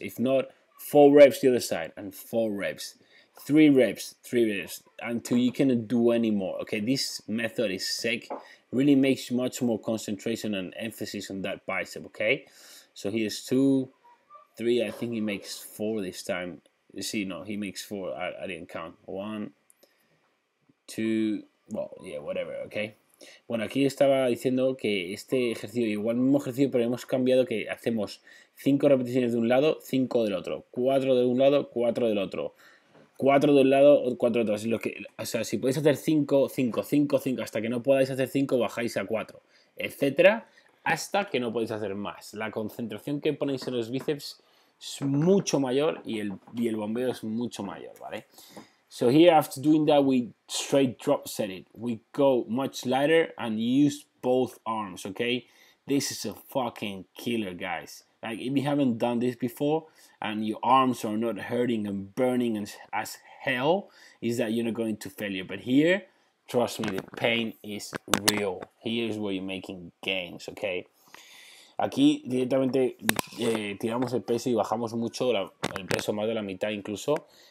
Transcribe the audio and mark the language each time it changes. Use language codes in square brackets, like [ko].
[en] If not, 4 reps the other side, and 4 reps. 3 reps, 3 reps, until you cannot do any more, okay? This method is sick. Really makes much more concentration and emphasis on that bicep, okay? So here's 2, 3, I think he makes 4 this time. You see, no, he makes 4, I didn't count. 1, 2, well, yeah, whatever, okay? [es] Bueno, aquí estaba diciendo que este ejercicio, igual mismo ejercicio, pero hemos cambiado que hacemos 5 repeticiones de un lado, 5 del otro, 4 de un lado, 4 del otro, 4 de un lado, 4 de otro. Así lo que, o sea, si podéis hacer 5, 5, 5, 5, hasta que no podáis hacer 5, bajáis a 4, etcétera, hasta que no podéis hacer más. La concentración que ponéis en los bíceps es mucho mayor y el bombeo es mucho mayor, ¿vale? [en] So here, after doing that, we straight drop set it. We go much lighter and use both arms, okay? This is a fucking killer, guys. Like, if you haven't done this before and your arms are not hurting and burning as hell, is that you're not going to failure. But here, trust me, the pain is real. Here's where you're making gains, okay? [es] Aquí directamente tiramos el peso y bajamos mucho, el peso más de la mitad incluso.